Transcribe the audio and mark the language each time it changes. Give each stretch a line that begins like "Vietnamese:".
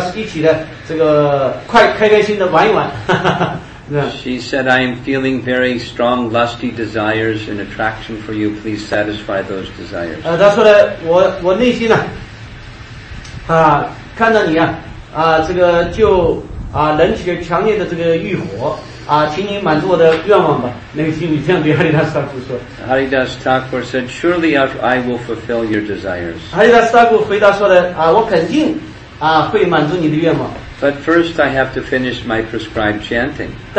Chinese: 因此呢，他就建议，他就提议的，这个让他和哈利达斯一起的，这个开开心心的玩一玩。
English: She said, I am feeling very strong lusty desires and attraction for you. Please satisfy those desires.
Chinese: 他说呢，我内心呢，看到你啊，这个就能起强烈的这个欲火。
English: Haridas Thakur said, surely I will fulfill your desires.
Chinese: Haridas Thakur 回答说的，我肯定会满足你的愿望。
English: But first I have to finish my prescribed chanting.